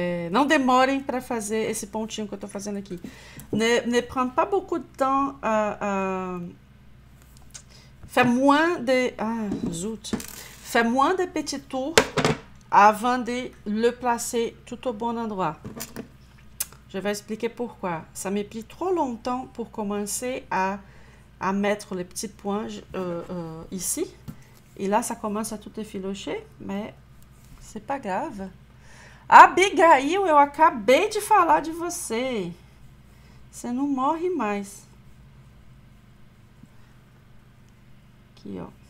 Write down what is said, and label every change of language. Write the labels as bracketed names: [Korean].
[Portuguese] Não demorem para fazer esse pontinho que eu estou fazendo aqui. [French] Ne prend pas beaucoup de temps à faire moins de. Ah, zut. Faire moins de petits tours avant de le placer tout au bon endroit. Je vais expliquer pourquoi. Ça m'a pris trop longtemps pour commencer à mettre les petits points ici. Et là, ça commence à tout effilocher, mais c'est pas grave. [Portuguese] Abigail, eu acabei de falar de você. Você não morre mais. Aqui, ó.